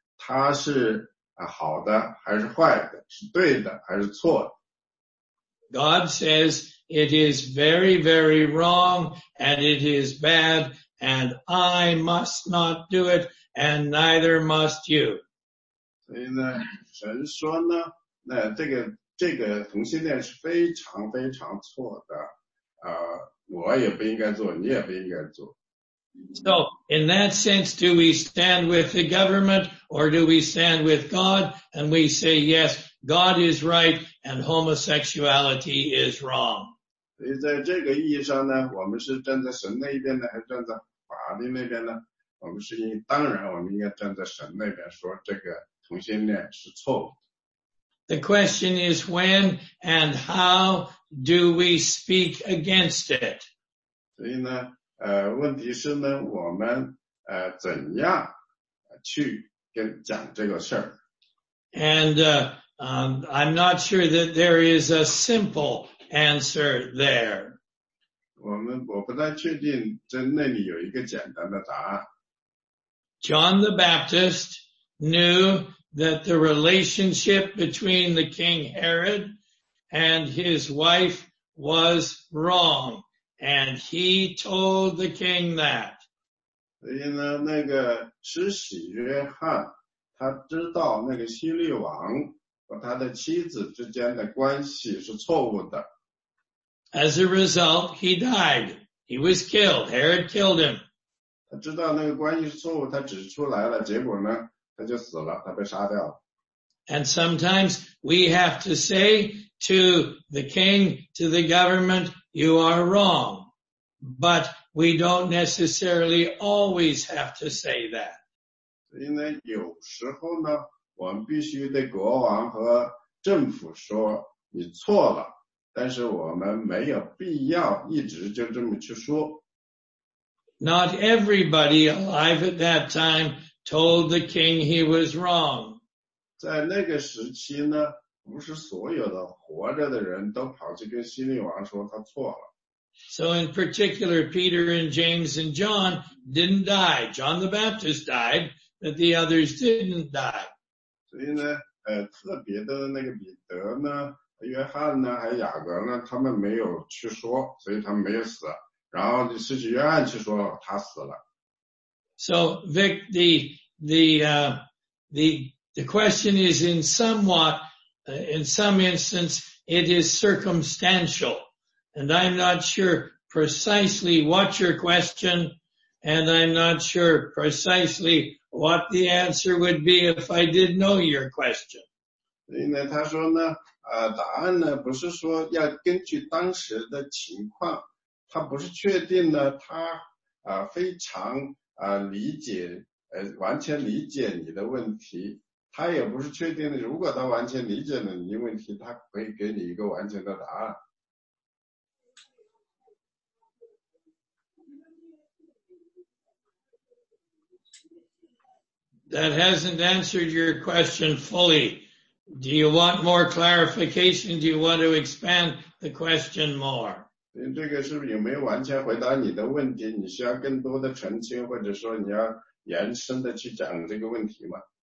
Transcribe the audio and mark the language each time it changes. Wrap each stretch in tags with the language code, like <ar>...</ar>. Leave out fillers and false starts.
<zh>它是好的还是坏的，是对的还是错的？</zh> <en>God says it is very, very wrong and it is bad and I must not do it and neither must you.</en> <zh>所以呢，神说呢，那这个同性恋是非常非常错的，我也不应该做，你也不应该做。</zh> <en>So, in that sense, do we stand with the government or do we stand with God? And we say, yes, God is right and homosexuality is wrong.</en> <zh>所以在这个意义上呢，我们是站在神那边呢，还是站在法律那边呢？我们是应当然，我们应该站在神那边，说这个同性恋是错误。</zh> <en>The question is when and how do we speak against it?</en> <zh>所以呢，问题是呢，我们怎样去跟讲这个事儿</zh> <en>？And I'm not sure that there is a simple answer there.</en> <zh>我不太确定在那里有一个简单的答案。</zh> <en>John the Baptist knew that the relationship between the King Herod and his wife was wrong. And he told the king that.</en> <zh>所以呢，那个施洗约翰，他知道那个希律王和他的妻子之间的关系是错误的。</zh> <en>As a result, he died. He was killed. Herod killed him.</en> <zh>他知道那个关系是错误，他指出来了，结果呢，他就死了，他被杀掉了。</zh> <en>And sometimes we have to say to the king, to the government,You are wrong, but we don't necessarily always have to say that.</en> <zh>所以呢，有时候呢，我们必须对国王和政府说你错了，但是我们没有必要一直就这么去说。</zh> <en>Not everybody alive at that time told the king he was wrong.</en> <zh>在那个时期呢，不是所有的活着的人都跑去跟希律王说他错了。</zh> <en>So in particular, Peter and James and John didn't die. John the Baptist died, but the others didn't die.</en> <zh>所以呢，特别的那个彼得呢、约翰呢、还雅各呢，他们没有去说，所以他们没有死。然后你施洗约翰去说他死了。</zh> <en>So Vic, the question is in somewhat. In some instance, it is circumstantial. And I'm not sure precisely what your question, and I'm not sure precisely what the answer would be if I did know your question.</en> <zh>所以呢，他说呢，答案呢，不是说要根据当时的情况，他不是确定呢，他非常理解，完全理解你的问题。他也不是确定的，如果他完全理解了你的问题，他可以给你一个完全的答案。</zh> <en>That hasn't answered your question fully. Do you want more clarification? Do you want to expand the question more?</en> <zh>这个是不是有没有完全回答你的问题？你需要更多的澄清，或者说你要延伸的去讲这个问题吗</zh>